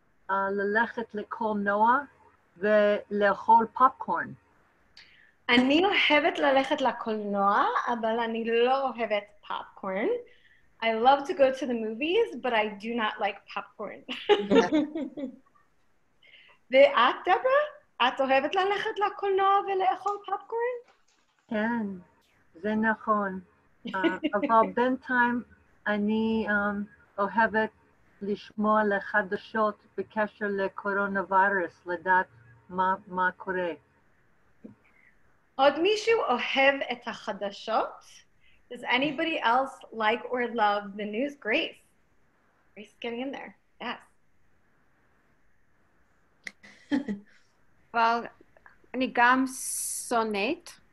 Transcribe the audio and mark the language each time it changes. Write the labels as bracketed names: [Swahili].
[Hebrew] ללכת לקול נועה ולאכול פופקורן. אני אוהבת ללכת לקול נועה, אבל אני לא אוהבת פופקורן. [English] I love to go to the movies, but I do not like popcorn. [Hebrew] ואת, דברה? את אוהבת ללכת לקול נועה ולאכול פופקורן? כן, זה נכון. אבל בינתיים אני אוהבת לשמוע לחדשות בקשר לקורונה וירוס, לדעת מה קורה. עוד מישהו אוהב את החדשות? [English] Does anybody else like or love the news? Grace. Grace is getting in there. Yes. [Hebrew] Well, אני גם שונאת.